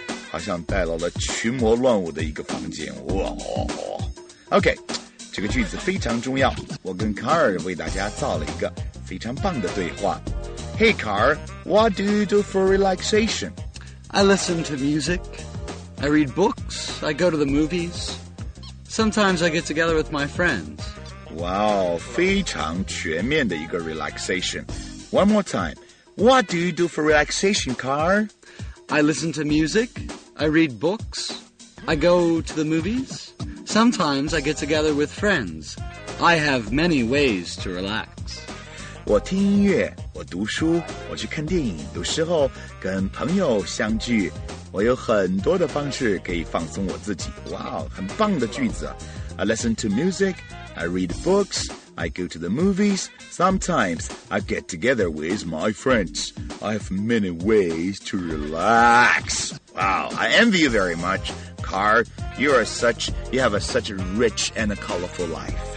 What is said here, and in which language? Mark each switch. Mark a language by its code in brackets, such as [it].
[zh] 好像带到了群魔乱舞的一个房间。哇哦 OK， 这个句子非常重要，我跟卡尔为大家造了一个非常棒的对话。 [en] Hey Carl, what do you do for relaxation? I listen to music, I read books, I go to the movies, sometimes I get together with my friends. [zh] Wow, 非常全面的一个 relaxation. [en] One more time, what do you do for relaxation, Carl? I listen to music, I read books, I go to the movies. Sometimes I get together with friends. I have many ways to relax. [zh] 我听音乐，我读书，我去看电影，有时候跟朋友相聚，我有很多的方式可以放松我自己。哇，很棒的句子。 [en] I listen to music, I read books, I go to the movies. Sometimes I get together with my friends. I have many ways to relax. Wow, I envy you very much. Carl, you have such a rich and a colorful life.